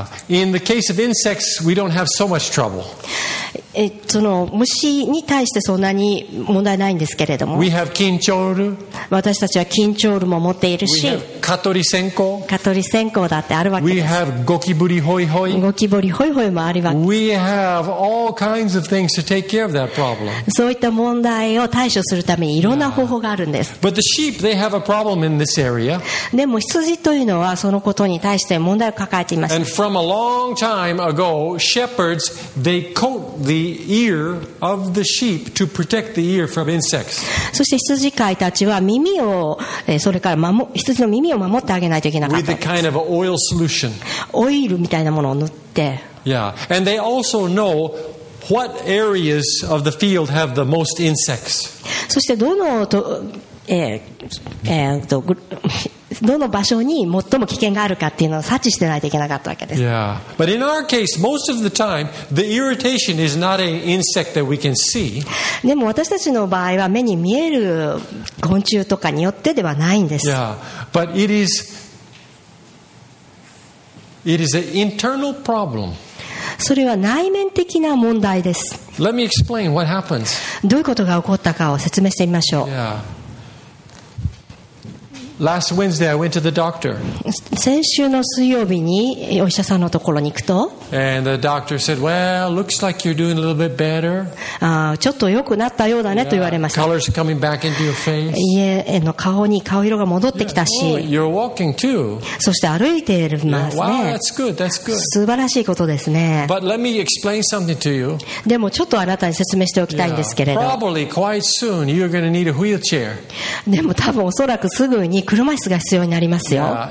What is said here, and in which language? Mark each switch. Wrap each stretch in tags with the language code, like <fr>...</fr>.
<en>In the case of insects, we don't have so much trouble.</en> <ja>その虫に対してそんなに問題ないんですけれども。</ja> <en>We have 金鳥る。</en> <ja>私たちは金鳥るも持っているし。</ja> <en>We have 蚊取り線香。</en> <ja>蚊取り線香だってあるわけです。</ja> <en>We have ゴキブリホイホイ。</en> <ja>ゴキブリホイホイもあるわけです。</ja> <en>We have all kinds of things to take care of that problem.</en> <ja>そういった問題を対処するためにいろんな方法があるんです。</ja> <en>Yeah. But the sheep, they have a problem in this area.</en> <ja>でも羊というのはそのことに対して問題を抱えています。</ja> <en>And from a long time ago, shepherds, they coat the ear of the sheep to protect the ear from insects.</en> <ja>そして羊飼いたちは耳を、それから羊の耳を守ってあげないといけなかった。</ja> <en>With a kind of oil solution.</en> <ja>オイルみたいなものを塗って。</ja> <en>Yeah, and they also know what areas of the field have the most insects.</en> <ja>そしてどのと、どの場所に最も危険があるかっていうのを察知してないといけなかったわけです。</ja> <en>Yeah. But in our case, most of the time, the irritation is not an insect that we can see.</en> <ja>でも私たちの場合は目に見える昆虫とかによってではないんです。</ja> <en>Yeah. But it is an internal problem.</en> <ja>それは内面的な問題です。</ja> <en>Let me explain what happens.</en> <ja>どういうことが起こったかを説明してみましょう。</ja> <en>Yeah. Last Wednesday, I went to the doctor.</en> <ja>先週の水曜日にお医者さんのところに行くと、</ja> <en>and the doctor said, "Well, looks like you're doing a little bit better."</en> <ja>ちょっと良くなったようだねと言われました。</ja> <en>Colors are coming back into your face.</en> <ja>いえ、顔に顔色が戻ってきたし、</ja> <en>yeah. oh, you're walking too.</en> <ja>そして歩いていますね。</ja> <en>Yeah. Wow, that's good. That's good.</en> <ja>素晴らしいことですね。</ja> <en>But let me explain something to you.</en> <ja>でもちょっとあなたに説明しておきたいんですけれど、</ja> <en>yeah. probably quite soon you're going to need a wheelchair.</en> <ja>でも多分おそらくすぐに車椅子が必要になりますよ。</ja>